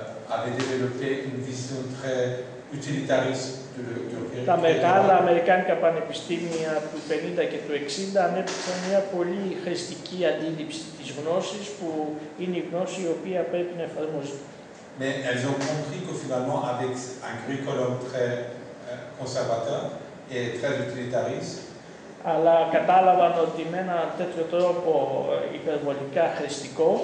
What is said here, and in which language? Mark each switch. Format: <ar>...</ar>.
<fr>avait développé une vision très utilitariste de l'Europe.</fr> <el>Τα μεγάλα αμερικάνικα πανεπιστήμια του 50 και του 60 ανέπτυξαν μια πολύ χρηστική αντίληψη της γνώσης που είναι η γνώση η οποία πρέπει να εφαρμοζεί.</el> <fr>Mais elles ont compris que finalement, avec un curriculum très conservateur et très utilitariste.</fr> <el>Αλλά κατάλαβαν ότι με ένα τέτοιο τρόπο υπερβολικά χρηστικό.</el>